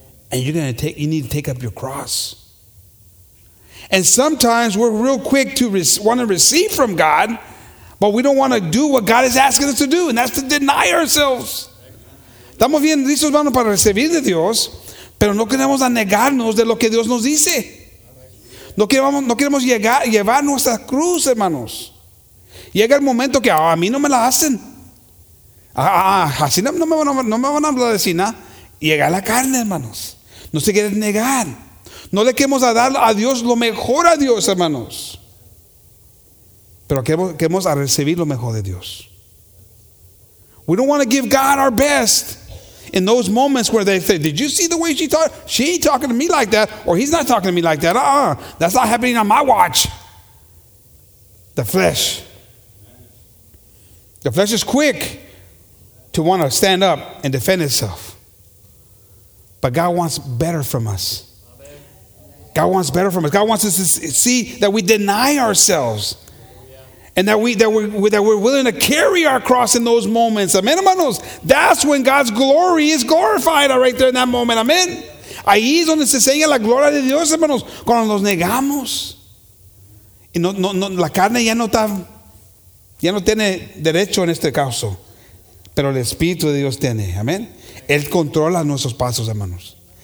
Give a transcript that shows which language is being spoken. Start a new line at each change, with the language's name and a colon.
English: And you need to take up your cross. And sometimes we're real quick to want to receive from God, but we don't want to do what God is asking us to do, and that's to deny ourselves.
Spanish: Estamos bien listos, hermano, para recibir de Dios, pero no queremos negarnos de lo que Dios nos dice. No queremos llevar nuestra cruz, hermanos. Llega el momento que a mí no me la hacen. Así no me van a hablar de sina. Llega la carne, hermanos. No se quiere negar. No le queremos dar a Dios lo mejor a Dios, hermanos. Pero queremos a recibir lo mejor de Dios.
English: We don't want to give God our best in those moments where they say, did you see the way she talked? She ain't talking to me like that, or he's not talking to me like that. That's not happening on my watch. The flesh. The flesh is quick to want to stand up and defend itself. But God wants better from us. God wants better from us. God wants us to see that we deny ourselves. And that we're willing to carry our cross in those moments. Amen, hermanos. That's when God's glory is glorified right there in that moment. Amen.
Spanish: Ahí es donde se enseña la gloria de Dios, hermanos. Cuando nos negamos. Y no, la carne ya no está, ya no tiene derecho en este caso. Pero el Espíritu de Dios tiene. Amén. Él controla nuestros pasos, hermanos.